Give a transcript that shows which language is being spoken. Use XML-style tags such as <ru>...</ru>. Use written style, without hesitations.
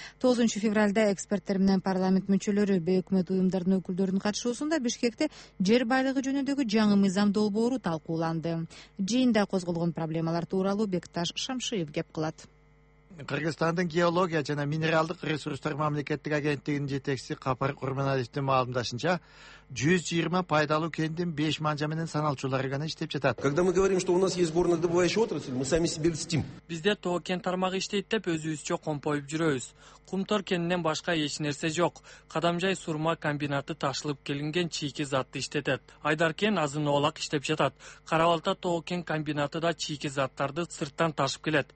<ky>9-февралда эксперттер менен парламент мүчөлөрү, өкмөт уюмдарынын өкүлдөрүнүн катышуусунда Бишкекте жер байлыгы жөнүндөгү жаңы мыйзам долбоору талкууланды. Жыйында козголгон проблемалар тууралуу Бекташ Шамшиев кеп кылат. Кыргызстандын геология жана минералдык ресурстар мамлекеттик агенттигинин жетекчиси Капар Курманалиевдин маалымдашынча 120 пайдалуу кендин 5 манжа менен саналчулары гана иштеп жатат.</ky> <ru>Когда мы говорим, что у нас есть горнодобывающая отрасль, мы сами себе льстим.</ru> <ky>Бизде тоо-кен тармагы иштейт деп өзүбүзчө компоюп жүрөбүз. Кумтор кенинен башка эч нерсе жок. Кадамжай сурма комбинаты ташылып келинген чийки затты иштетет. Айдаркен азын оолак иштеп жатат. Каравалта тоо-кен комбинаты да чийки заттарды сырттан ташып келет.</ky>